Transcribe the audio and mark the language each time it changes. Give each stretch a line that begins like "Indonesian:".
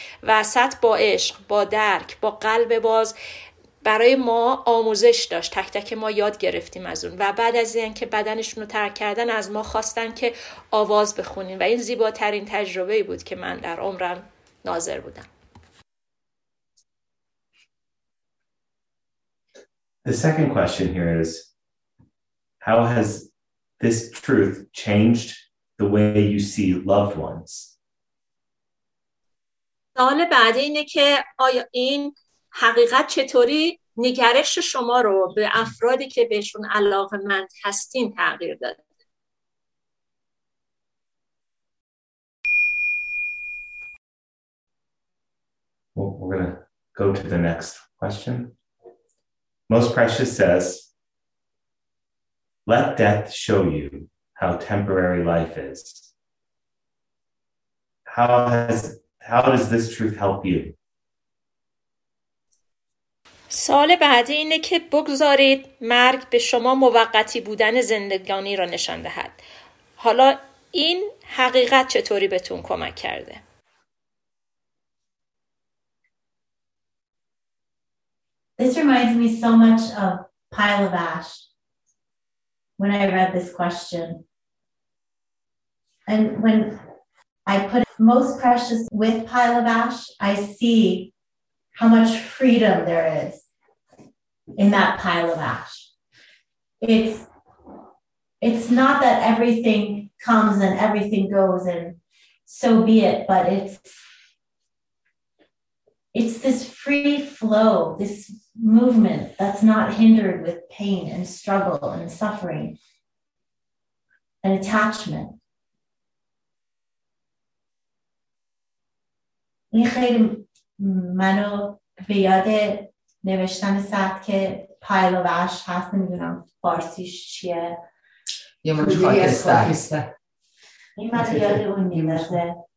Persian: و سطح با عشق، با درک، با قلب باز برای ما آموزش داشت. تک تک ما یاد گرفتیم از اون. و بعد از این که بدنشون رو ترک کردن از ما خواستن که آواز بخونیم و این زیباترین تجربه بود که من در عمرم ناظر بودم.
English: The second question here is, how has this truth changed the way you see loved ones?
Persian: سوال بعدی اینه که آیا این حقیقت چطوری نگرش شما رو به افرادی که بهشون علاقمند هستین تغییر داده؟
English: We're going to go to the next question. Most Precious says, let death show you how temporary life is. How does this truth help you?
Persian: سوال بعدی اینه که بگذارید مرگ به شما موقتی بودن زندگانی را نشان دهد. حالا این حقیقت چطوری بهتون کمک کرده؟
English: This reminds me so much of Pile of Ash when I read this question. And when I put Most Precious with Pile of Ash, I see how much freedom there is in that pile of ash. It's not that everything comes and everything goes and so be it, but it's this free flow, this movement that's not hindered with pain and struggle and suffering and attachment.
Persian: این خیلی منو به یاد نوشتن سطح که پایل و عشق هست، نمیدونم فارسیش چیه، یه منش خاکسته، این من یاد اون میدازه.